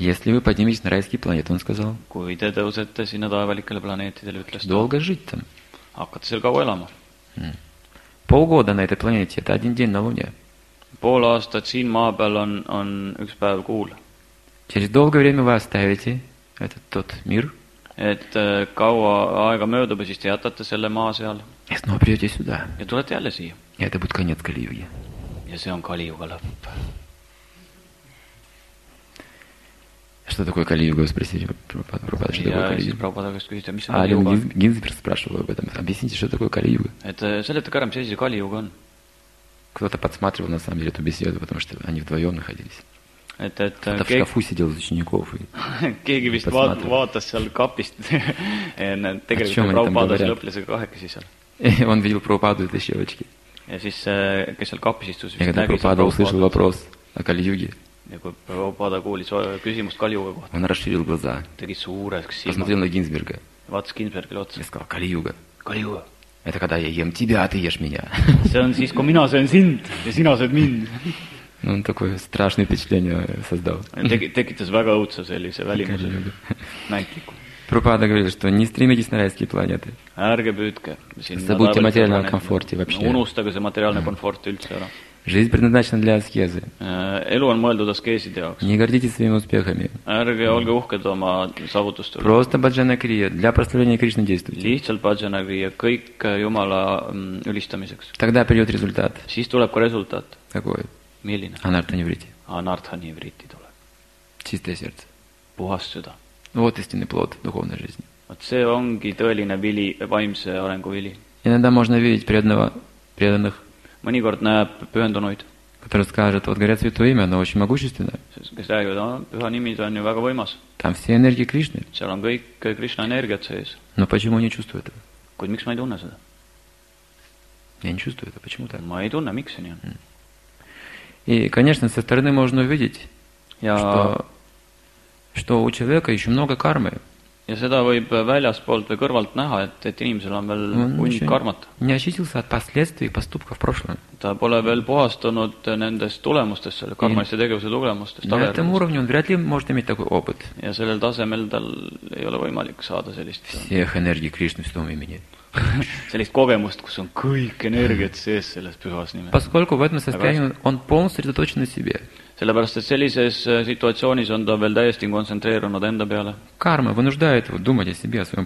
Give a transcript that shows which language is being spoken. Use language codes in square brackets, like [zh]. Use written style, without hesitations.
[ru] Если вы поднимитесь на райский планет, он сказал. [et] Kui te tõusete sinna taevalikele planeetidele, ütles ta. [ru] Долго жить там. [et] Hakkate seal kaua elama. [ru] Полгода на этой планете, это один день на Луне. [et] Pool aastat siin maa peal on üks päev kuul. [ru] Через долгое время вы оставите этот тот мир. [et] Et kaua aega möödub, siis te jätate selle maa seal. [ru] И снова придете сюда. [et] Ja tulete jälle siia. [ru] И это будет конец Кали-юги. [et] Ja see on Кали-юга лõpp. [ru] Что такое Кали-юга, вы спросили? Прабхупада, что такое Кали-юга? [et] Ja siis Прабхупада käest küsite, mis on Кали-юга? [ru] Ален Гинзбер спрашивал об этом. Объясните, что такое Кали-юга? [et] Et seletage ära, mis asi see Кали-юга on. [ru] Кто-то подсматривал на самом деле эту беседу, потому что они вдвоем находились. Это в шкафу сидел из учеников. [et] Keegi vist vaatas seal kapist. Tegelikult Prabhupada lõplisega kahekesi seal. [ru] Он видел Прабхупаду и дощевочки. [et] Ja siis, kes seal kapis istus, vist nägi. [ru] Prabhupada услышал вопрос о Кали-юге. [et] Ja kui Prabhupada kuulis küsimust Кали-юга kohta. [ru] Он расширил глаза. [et] Tegi suureks silma. [ru] Посмотрел на Гинзберга. [et] Vaatas Гинзбергile otsa. Ja [ru] сказал, Кали-юга. Кали-юга. Это когда я ем тебя, а ты ешь меня. [et] See on siis, kui mina söön sind ja sina sööd mind. [ru] Ну, он такое страшное впечатление создал. [et] Tekitas väga õudsa sellise välimuse. Näitliku. [ru] Prabhupada говорил, что не стремитесь на райские планеты. [et] Ärge püüdke. [ru] Забудьте материальном комфорте вообще. [et] Unustage see materiaalne komfort üldse ära. [ru] Жизнь предназначена для аскезы. [et] Elu on mõeldud askeeside jaoks. [ru] Не гордитесь своими успехами. [et] Ärge olge uhked oma saavutustele. [ru] Просто баджана крия для прославления Кришны действуйте. [et] Lihtsalt баджана крия kõik Jumala ülistamiseks. [ru] Тогда придет результат. [et] Siis tuleb ka resultaat. [ru] Какой? [et] Milline? [ru] Анартханивритти. [et] Анартханивритти tule. [ru] Чистое сердце. [et] Puhas süda. [ru] Вот истинный плод духовной жизни. Вот [et] see ongi tõeline vili, vaimse arengu vili. [ru] Иногда можно видеть преданных. [et] Mõnikord näeb pühendunuid. [ru] Которые скажут, вот горят святое имя, но очень могущественное. [et] Kes räägivad, püha nimi, ta on ju väga võimas. [ru] Там все энергии Кришны. [et] Seal on kõik Кришна энергиat sees. [ru] Но почему не чувствую этого? [et] Kuid miks ma ei tunne seda? [ru] Я не чувствую это, почему так? [et] Ma ei tunne, miks see nii on. [ru] И, конечно, со стороны можно увидеть, что у человека еще много кармы. [et] Ja seda võib väljaspoolt või kõrvalt näha, et inimesel on veel hunnik karmata. [ru] Не очистился от последствий поступков прошлого. [et] Ta pole veel puhastunud nendest tulemustest, selle karmaliste tegevuse tulemustest. [ru] На этом уровне он вряд ли может иметь такой опыт. [et] Ja sellel tasemel tal ei ole võimalik saada sellist. [ru] Всех энергий Кришны в том имени. [et] Sellist kogemust, kus on kõik energiat sees selles pühas nimes. [ru] Поскольку в этом состоянии он полностью сосредоточен на себе. [et] Sellepärast, et sellises situatsioonis on ta veel täiesti kontsentreerunud enda peale. [ru] Karma vynuždajat думать о себе, о своём